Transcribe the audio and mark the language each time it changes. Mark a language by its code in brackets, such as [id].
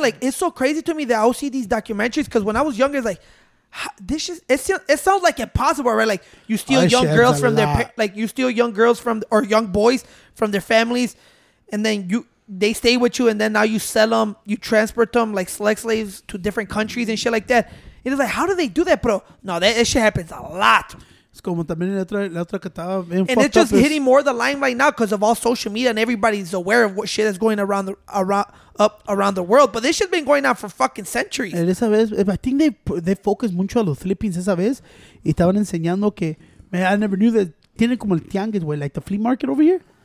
[en] Like, it's so crazy to me that I'll see these documentaries because when I was younger, it's like, this is, it sounds like impossible, right? Like, you steal young girls from their, like, you steal young girls from, or young boys from their families, and then they stay with you, and then now you sell them, you transport them, like, sex slaves to different countries and shit like that. It is like, how do they do that, bro? No, that shit happens a lot. [es] Es como también la otra que estaba bien. [en] And it's just hitting more the limelight now because of all social media and everybody's aware of what shit is going around the world. But this shit's been going on for fucking centuries. [es] En esa vez, [en] I think they focused [es] mucho a los Philippines esa vez. Y estaban enseñando que, [en] man, I never knew that. [es] Tienen como el tianguis, güey, [en] like the flea market over here.